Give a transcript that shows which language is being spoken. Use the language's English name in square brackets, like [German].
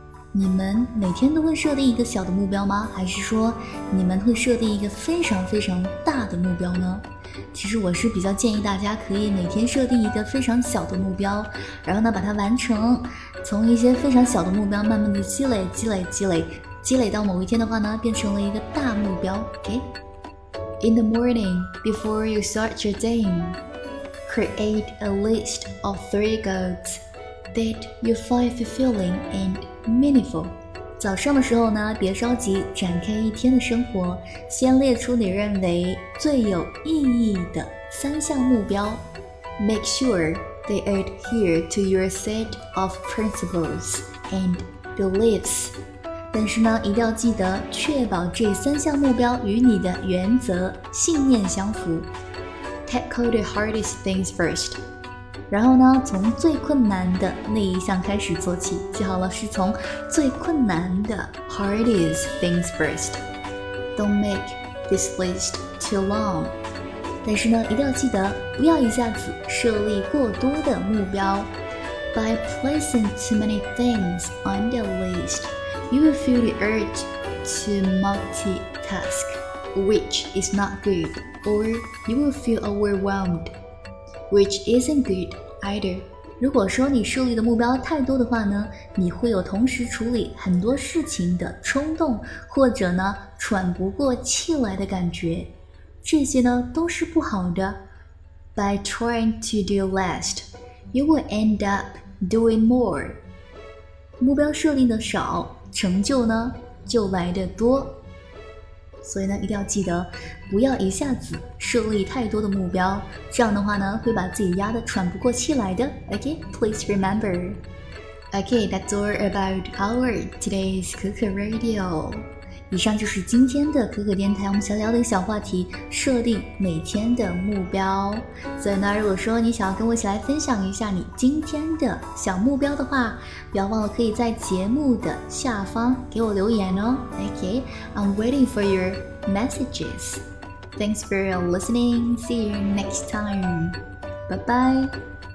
[Chinese] 你们每天都会设定一个小的目标吗？还是说你们会设定一个非常非常大的目标呢？其实我是比较建议大家可以每天设定一个非常小的目标，然后呢把它完成，从一些非常小的目标慢慢的积累到某一天的话呢变成了一个大目标。 [English] OK? In the morning, before you start your day, create a list of three goals that you find fulfilling andMeaningful. [Chinese] 早上的时候呢，别着急展开一天的生活，先列出你认为最有意义的三项目标。 [English] Make sure they adhere to your set of principles and beliefs. [Chinese] 但是呢，一定要记得确保这三项目标与你的原则信念相符。 [English] Tackle the hardest things first. [Chinese] 然后呢，从最困难的那一项开始做起，记好了，是从最困难的 [English] hardest things first. Don't make this list too long. [Chinese] 但是呢，一定要记得不要一下子设立过多的目标。 [English] By placing too many things on the list, you will feel the urge to multitask, which is not good, or you will feel overwhelmed. Which isn't good either. [Chinese] 如果说你设立的目标太多的话呢，你会有同时处理很多事情的冲动，或者呢喘不过气来的感觉，这些呢都是不好的。 By trying to do less, you will end up doing more. 目标设立的少，成就呢就来得多。所以呢，一定要记得不要一下子设立太多的目标，这样的话呢会把自己压得喘不过气来的。 [English] OK, please remember. OK, that's all about our today's Cuckoo Radio. [Chinese] 以上就是今天的 Cuckoo 电台，我们想聊的一个小话题，设定每天的目标。所以呢，如果说你想要跟我一起来分享一下你今天的小目标的话，不要忘了可以在节目的下方给我留言哦。 [English] OK, I'm waiting for your messages. Thanks for listening. See you next time. Bye-bye.